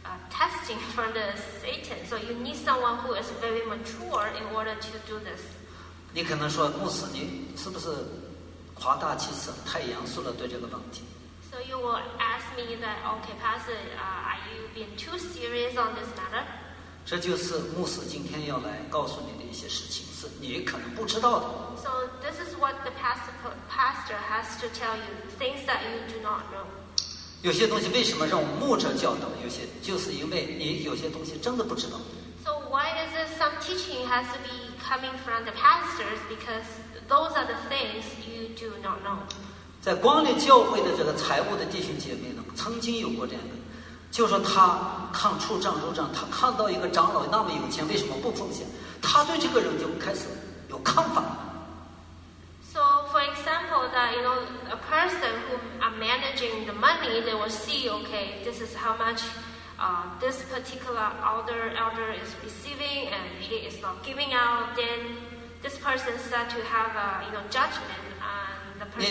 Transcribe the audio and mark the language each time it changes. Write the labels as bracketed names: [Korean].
[English] Testing from the Satan, so you need someone who is very mature in order to do this. [Chinese] 你可能说，牧师，你是不是夸大其词，太严肃了对这个问题 [English] ？So you will ask me that, okay, Pastor, are you being too serious on this matter? [Chinese] 这就是牧师今天要来告诉你的一些事情，是你可能不知道的。 [English] So this is what the pastor has to tell you, things that you do not know. [Chinese] 有些东西为什么让牧者教导？有些就是因为你有些东西真的不知道。 [English] So why is it some teaching has to be coming from the pastors? Because those are the things you do not know. [Chinese] 在光临教会的这个财务的弟兄姐妹呢，曾经有过这样的，就说他看出账入账，他看到一个长老那么有钱，为什么不奉献？他对这个人就开始有看法。 [English] So, for example, that you know, a person who are managing the money, they will see, okay, this is how much this particular elder is receiving, and he is not giving out. Then this person start to have a you know judgment on the person.